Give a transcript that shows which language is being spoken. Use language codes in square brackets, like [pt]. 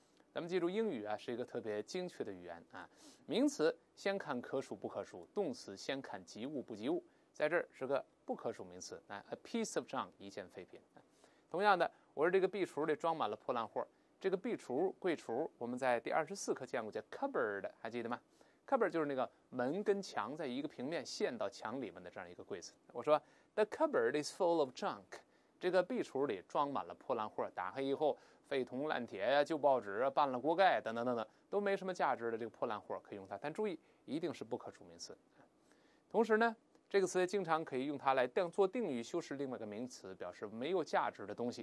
[zh] 咱们记住英语啊是一个特别精确的语言啊，名词先看可数不可数，动词先看及物不及物，在这儿是个不可数名词，啊 , [en] a piece of junk, [zh] 一件废品。同样的，我说这个壁橱里装满了破烂货，这个壁橱、柜橱我们在第24课见过，叫 cupboard, 还记得吗？ cupboard 就是那个门跟墙在一个平面线到墙里面的这样一个柜子。我说 [en] The cupboard is full of junk. [zh] 这个壁橱里装满了破烂货，打开以后，废铜烂铁呀、旧报纸啊、烂了锅盖等等等等，都没什么价值的这个破烂货可以用它。但注意，一定是不可数名词。同时呢，这个词经常可以用它来做定语，修饰另外一个名词，表示没有价值的东西。